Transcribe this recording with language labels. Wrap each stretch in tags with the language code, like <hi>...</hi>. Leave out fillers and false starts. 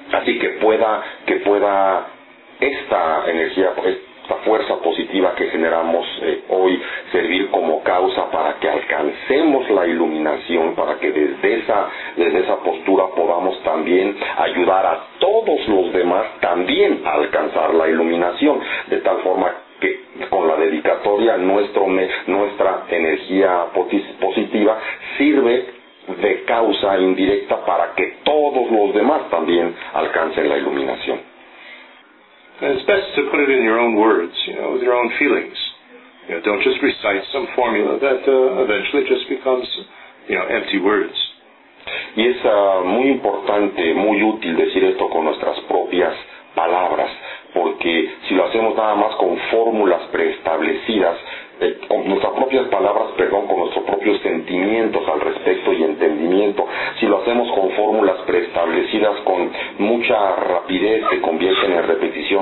<es>Así que pueda esta energía, esta fuerza positiva que generamos hoy, servir como causa para que alcancemos la iluminación, para que desde esa postura podamos también ayudar a todos los demás también a alcanzar la iluminación, de tal forma que con la dedicatoria nuestra energía positiva sirve de causa indirecta para que todos los demás también alcancen la iluminación.</es> <en>It's best to put it in your own words, you know, with your own feelings. You know, don't just recite some formula that eventually just becomes, you know, empty words.</en> <es>Y es muy importante, muy útil decir esto con nuestras propias palabras, porque si lo hacemos nada más con fórmulas preestablecidas, con nuestras propias palabras, perdón, con nuestros propios sentimientos al respecto y entendimiento, si lo hacemos con fórmulas preestablecidas con mucha rapidez, se convierten en repetición.</es>